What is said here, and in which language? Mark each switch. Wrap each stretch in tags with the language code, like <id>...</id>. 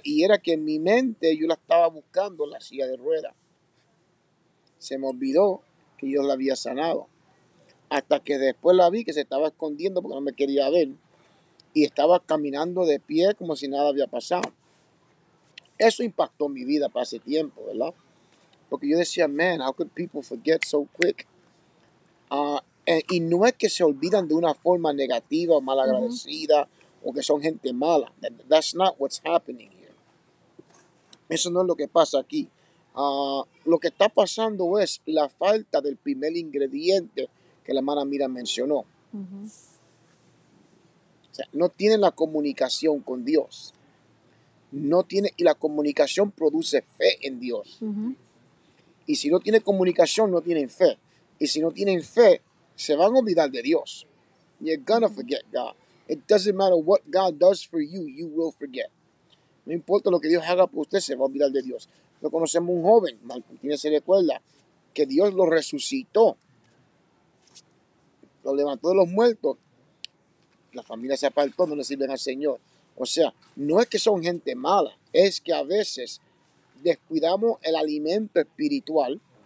<es>Y era que en mi mente yo la estaba buscando en la silla de ruedas. Se me olvidó que yo la había sanado. Hasta que después la vi que se estaba escondiendo porque no me quería ver. Y estaba caminando de pie como si nada había pasado. Eso impactó mi vida para ese tiempo, ¿verdad? Porque yo decía,</es> <en>man, how could people forget so quick?</en> <es>Y no es que se olvidan de una forma negativa o malagradecida, uh-huh, o que son gente mala.</es> <en>That's not what's happening here.</en> <es>Eso no es lo que pasa aquí. Lo que está pasando es la falta del primer ingrediente que la hermana Mira mencionó. Uh-huh. O sea, no tienen la comunicación con Dios. No tiene, y la comunicación produce fe en Dios. Uh-huh. Y si no tiene comunicación, no tienen fe. Y si no tienen fe, se van a olvidar de Dios.</es> <en>You're gonna forget God. It doesn't matter what God does for you, you will forget.</en> <es>No importa lo que Dios haga por usted, se va a olvidar de Dios. Lo conocemos un joven, Martín, se recuerda, que Dios lo resucitó. Lo levantó de los muertos. La familia se apartó, no le sirven al Señor. O sea, no es que son gente mala, es que a veces descuidamos el alimento espiritual.</es>